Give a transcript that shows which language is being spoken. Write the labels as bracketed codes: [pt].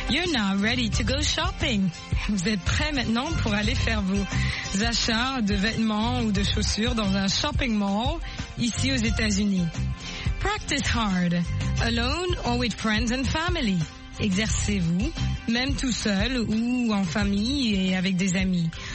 [en] now ready to go shopping. [fr] Vous êtes prêt maintenant pour aller faire vos achats de vêtements ou de chaussures dans un shopping mall ici aux États-Unis. [en] Practice hard, alone or with friends and family. [fr] Exercez-vous, même tout seul ou en famille et avec des amis.